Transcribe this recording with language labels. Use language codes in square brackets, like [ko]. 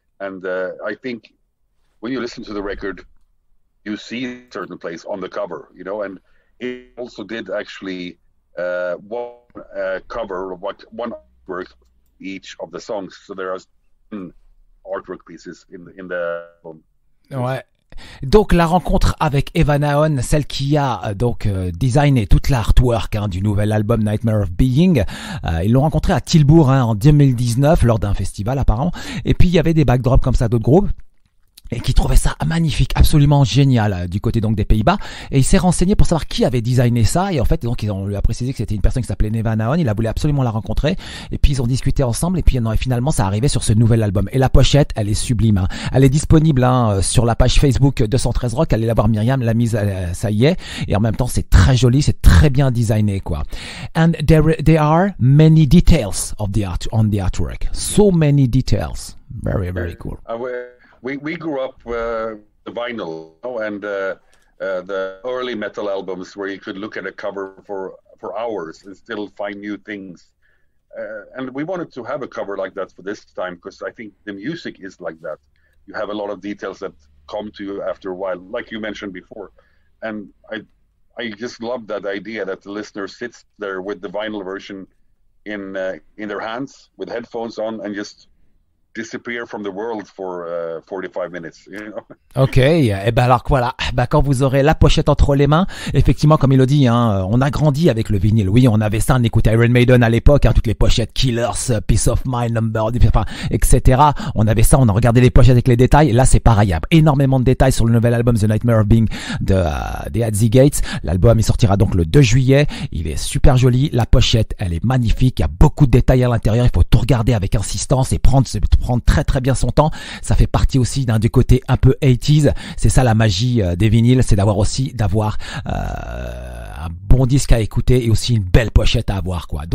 [en] And I think when you listen to the record, you see a certain place on the cover, you know, and it also did actually one cover of what one artwork each of the songs. So there are artwork pieces in the album. [fr] Ouais. Donc la rencontre avec Eva Naon, celle qui a donc designé toute l'artwork hein, du nouvel album Nightmare of Being, ils l'ont rencontré à Tilburg hein, en 2019 lors d'un festival apparemment. Et puis il y avait des backdrops comme ça d'autres groupes. Et qui trouvait ça magnifique, absolument génial, du côté donc des Pays-Bas. Et il s'est renseigné pour savoir qui avait designé ça. Et en fait, donc, on lui a précisé que c'était une personne qui s'appelait Eva Naon. Il a voulu absolument la rencontrer. Et puis, ils ont discuté ensemble. Et puis, non, et finalement, ça arrivait sur ce nouvel album. Et la pochette, elle est sublime. Hein. Elle est disponible, hein, sur la page Facebook 213 Rock. Allez la voir, Myriam. La mise, ça y est. Et en même temps, c'est très joli. C'est très bien designé, quoi. [en] And there are many details of the art, on the artwork. So many details. Very, very cool. We grew up the vinyl, you know, and the early metal albums where you could look at a cover for hours and still find new things. And we wanted to have a cover like that for this time because I think the music is like that. You have a lot of details that come to you after a while, like you mentioned before. And I just love that idea that the listener sits there with the vinyl version in their hands with headphones on and just disappear from the world for 45 minutes, you know. [fr] Ok, et ben alors voilà, ben quand vous aurez la pochette entre les mains, effectivement comme il le dit, hein, on a grandi avec le vinyle, oui on avait ça, on écoutait Iron Maiden à l'époque, hein, toutes les pochettes Killers, Peace of Mind, Number, enfin, etc. On avait ça, on a regardé les pochettes avec les détails, là c'est pareil, il y a énormément de détails sur le nouvel album The Nightmare of Being de Atzi Gates, l'album il sortira donc le 2 juillet, il est super joli, la pochette elle est magnifique, il y a beaucoup de détails à l'intérieur, il faut tout regarder avec insistance et prendre très très bien son temps, ça fait partie aussi d'un du côté un peu c'est ça la magie des vinyles, c'est d'avoir aussi d'avoir un bon disque à écouter et aussi une belle pochette à avoir quoi.